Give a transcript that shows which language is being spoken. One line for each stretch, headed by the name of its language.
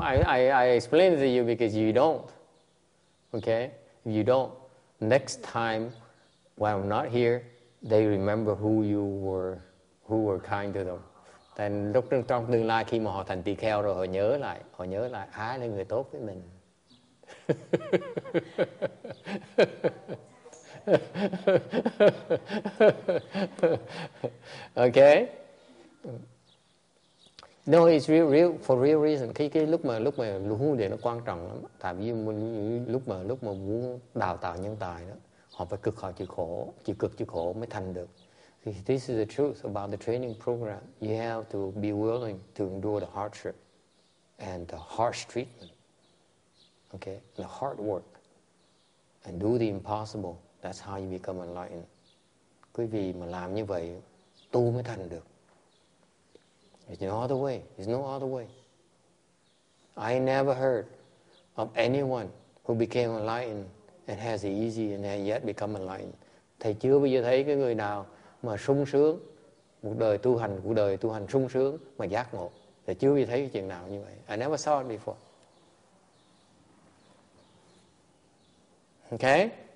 English: I explained it to you because you don't. Okay? If you don't, next time when I'm not here, they remember who you were, who were kind to them.
Vietnamese: Then lúc trong tương lai khi mà họ thành tỳ kheo rồi họ nhớ lại ai là người tốt với mình.
English: Okay. No, it's real, real for real reason.
Vietnamese: Cái lúc mà luôn để nó quan trọng lắm. Tại vì lúc mà muốn đào tạo nhân tài đó, họ phải cực họ chịu cực chịu khổ mới thành được.
English: This is the truth about the training program. You have to be willing to endure the hardship and the harsh treatment. Okay, the hard work and do the impossible. That's how you become enlightened.
Vietnamese: Quý vị mà làm như vậy, tu mới thành được.
English: There's no other way. There's no other way. I never heard of anyone who became enlightened and has it easy and has yet become enlightened.
Vietnamese: Thầy chưa bao giờ thấy cái người nào mà sung sướng, cuộc đời tu hành sung sướng mà giác ngộ. Thầy chưa bao giờ thấy cái chuyện nào như vậy.
English: I never saw it before. Okay?